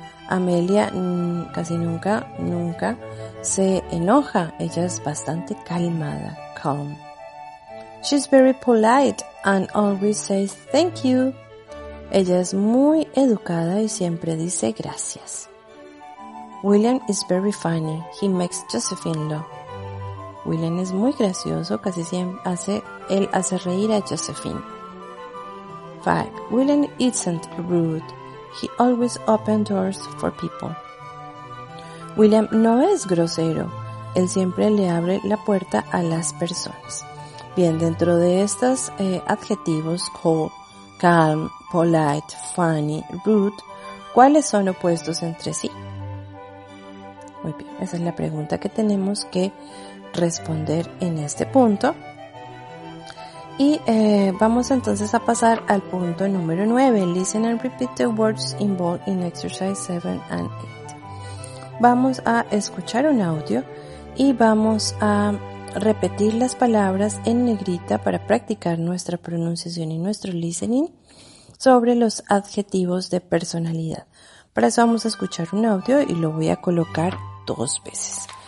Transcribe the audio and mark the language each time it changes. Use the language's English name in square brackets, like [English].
[Spanish] Amelia casi nunca se enoja, ella es bastante calmada, calm. [English] She's very polite and always says thank you. [Spanish] Ella es muy educada y siempre dice gracias. [English] William is very funny, he makes Josephine laugh. [Spanish] William es muy gracioso, casi siempre hace reír a Josephine. [English] 5. William isn't rude. He always opens doors for people. [Spanish] William no es grosero. Él siempre le abre la puerta a las personas. Bien, dentro de estos adjetivos, cool, calm, polite, funny, rude, ¿cuáles son opuestos entre sí? Muy bien, esa es la pregunta que tenemos que responder en este punto. Y vamos entonces a pasar al punto número 9. [English] Listen and repeat the words involved in exercise 7 and 8. [Spanish] Vamos a escuchar un audio y vamos a repetir las palabras en negrita para practicar nuestra pronunciación y nuestro listening sobre los adjetivos de personalidad. Para eso vamos a escuchar un audio y lo voy a colocar dos veces.